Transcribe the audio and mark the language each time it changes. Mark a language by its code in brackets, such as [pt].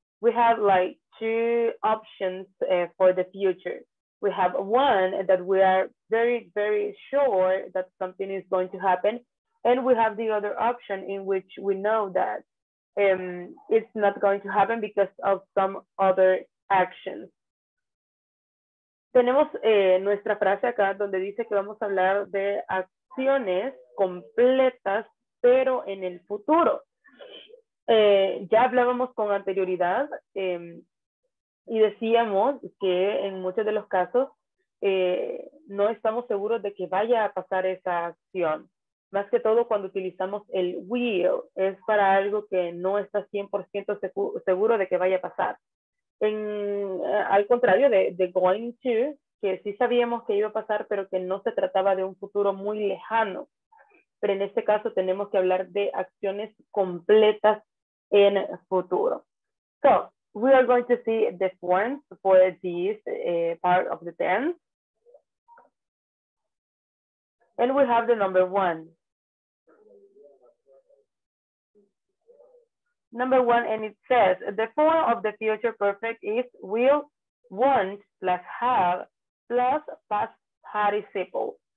[en] We have like 2 options for the future. We have one that we are very, very sure that something is going to happen. And we have the other option in which we know that it's not going to happen because of some other actions. [es] Tenemos nuestra frase acá donde dice que vamos a hablar de acciones completas, pero en el futuro. Ya hablábamos con anterioridad y decíamos que en muchos de los casos no estamos seguros de que vaya a pasar esa acción. Más que todo cuando utilizamos el will, es para algo que no está 100% seguro de que vaya a pasar. Al contrario de going to, que sí sabíamos que iba a pasar, pero que no se trataba de un futuro muy lejano. Pero en este caso tenemos que hablar de acciones completas en futuro. So, [en] we are going to see the forms for this part of the tense. And we have the number one. Number one, and it says, the form of the future perfect is will, won't, plus have, plus past participle.